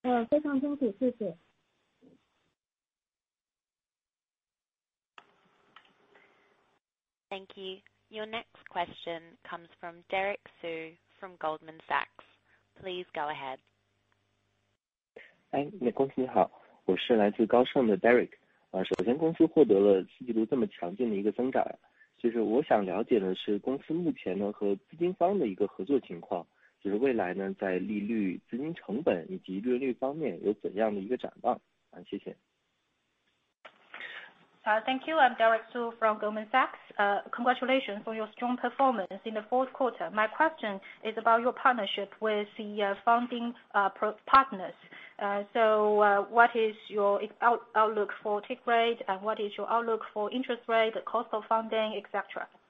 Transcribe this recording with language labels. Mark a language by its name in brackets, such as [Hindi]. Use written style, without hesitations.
[Chinese] 非常清楚，谢谢。 [English] Thank you. Your next question comes from Derek Su from Goldman Sachs. Please go ahead. [Chinese] 哎，美工你好。我是来自高盛的 Derek， 首先公司获得了四季度这么强劲的一个增长，就是我想了解的是公司目前呢和资金方的一个合作情况，就是未来呢在利率、资金成本以及利润率方面有怎样的一个展望？啊，谢谢。 [English] Thank you. I'm Derek Su from Goldman Sachs. Congratulations on your strong performance in the fourth quarter. My question is about your partnership with the funding partners. What is your outlook for take rate and what is your outlook for interest rate, the cost of funding, etc.?